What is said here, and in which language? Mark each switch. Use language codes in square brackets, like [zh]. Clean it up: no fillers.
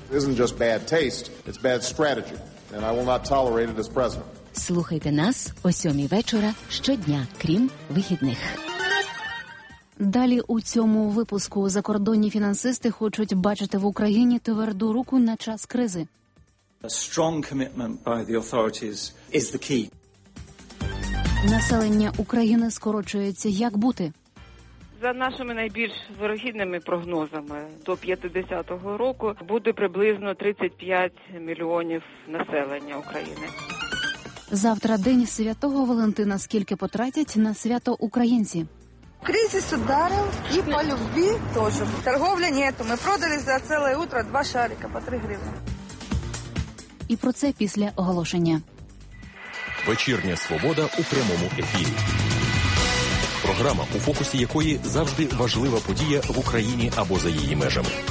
[en] Isn't just bad taste, it's bad strategy, and I will not tolerate it as president. [uk] Слухайте нас о 7 вечора щодня, крім вихідних. Далі у цьому випуску закордонні фінансисти хочуть бачити в Україні тверду руку на час кризи. [en] A strong commitment by the authorities is the key. [uk] Населення України скорочується. Як бути? За нашими найбільш вірогідними прогнозами, до 50-го року буде приблизно 35 мільйонів населення України. Завтра день Святого Валентина. Скільки потратять на свято українці? Кризис ударив і по любві теж. Торговля нету. Ми продали за ціле утро 2 шарика по 3 гривні. І про це після оголошення. Вечірня «Свобода» у прямому ефірі. Програма, у фокусі якої завжди важлива подія в Україні або за її межами.